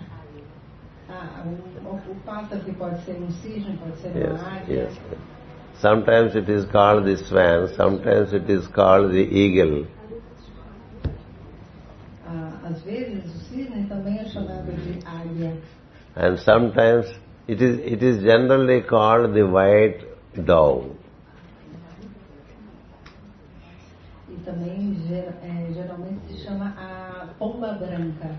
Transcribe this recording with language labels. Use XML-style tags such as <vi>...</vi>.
<pt>O pássaro que pode ser um cisne, pode ser uma águia.</pt> <en>Yes. Sometimes it is called the swan, sometimes it is called the eagle.</en> <pt>Às vezes o cisne também é chamado de águia.</pt> <en>And sometimes it is generally called the white dove.</en> <pt>E também geralmente se chama a pomba branca.</pt>